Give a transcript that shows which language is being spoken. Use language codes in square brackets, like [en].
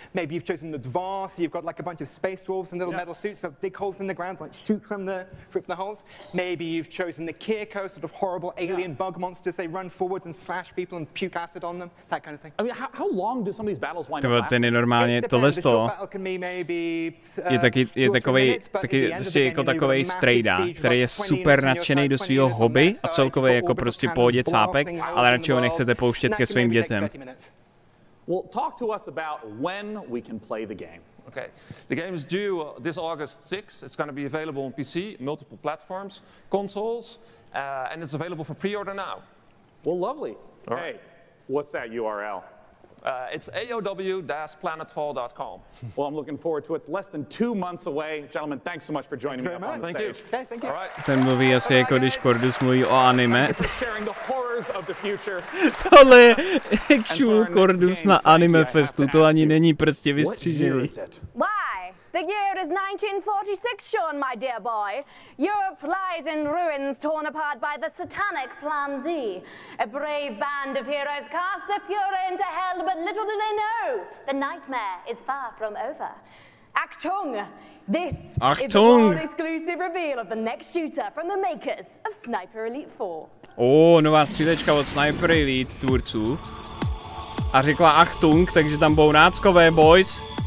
[en] Maybe you've chosen the Dvar, so you've got like a bunch of space dwarves and little metal suits that dig holes in the ground, like shoot from the holes. Maybe you've chosen the Kirko, sort of horrible alien bug monsters. They run forwards and slash people and puke acid on them, that kind of thing. I mean, how long do some of these battles wind up lasting? [cs] To normálně tohle to [en] maybe, [cs] je takový, jako takový strejda, který je super nadšený do svého hobby a celkově jako prostě pohodě cápek, ale radši ho nechcete pouštět ke svým dětem. [en] Well, talk to us about when we can play the game. Okay, the game is due this August 6th. It's going to be available on PC, multiple platforms, consoles, and it's available for pre-order now. Well, lovely. Right. Hey, what's that URL? It's AOW-planetfall.com. Well, I'm looking forward to it. It's less than 2 months away. Gentlemen, thanks so much for joining me up on the thank stage. You. Okay, thank you. All right. [cs] Ten mluví asi jako když Kordus mluví o anime. [en] Thank you for sharing the horrors of the future. [cs] Tohle je actual Kordus na anime festu. To ani není prostě vystřižený. [en] Why? The year is 1946, Sean, my dear boy. Europe lies in ruins, torn apart by the satanic Plan Z. A brave band of heroes cast the Führer into hell, but little do they know, the nightmare is far from over. Achtung! This [de] Achtung. [en] Is the exclusive reveal of the next shooter from the makers of Sniper Elite 4. [cs] Oh, nová střílečka od Sniper Elite tvůrců. A řekla Achtung, takže tam budou náckové, boys.